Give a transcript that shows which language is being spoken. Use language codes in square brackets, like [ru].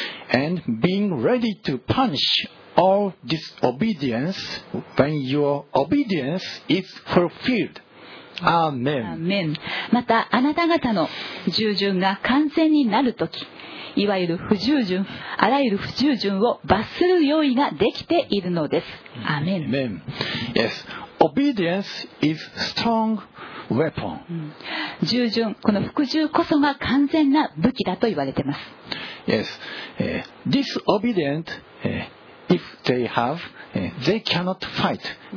[en] And being ready to punish all disobedience when your obedience is fulfilled. Amen. Amen. [ja] またあなた方の従順が完全になるとき、いわゆる不従順、あらゆる不従順を罰する用意ができているのです。 [en] Amen. Amen. Yes. Obedience is strong weapon. [ja] 従順、この服従こそが完全な武器だと言われています。 [en] Yes, disobedient, if they have, they cannot fight.